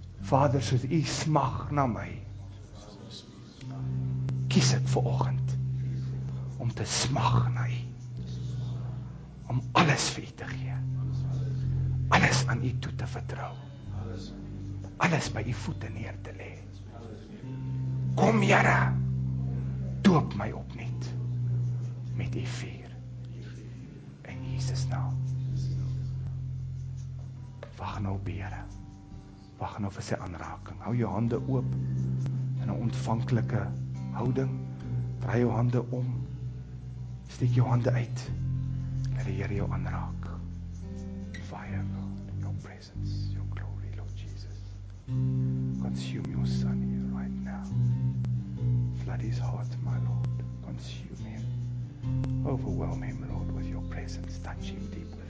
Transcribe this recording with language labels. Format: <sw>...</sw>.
<af>Vader, soos u smag na my, kies ek vir oggend om te smag na u, om alles vir u te gee, alles aan u toe te vertrou, alles by u voete neer te lê. Kom, Here, doop my opnuut met u vuur in Jesus naam. Wacht nou bere, wacht nou vir sy aanraking, hou jou hande oop in 'n ontvanklike houding, draai jou hande om, steek jou hande uit, en die Heere jou aanraak.</af> <en>Fire, Lord, in your presence, your glory, Lord Jesus, consume your son here right now, flood his heart, my Lord, consume him, overwhelm him, Lord, with your presence, touch him deep.</en>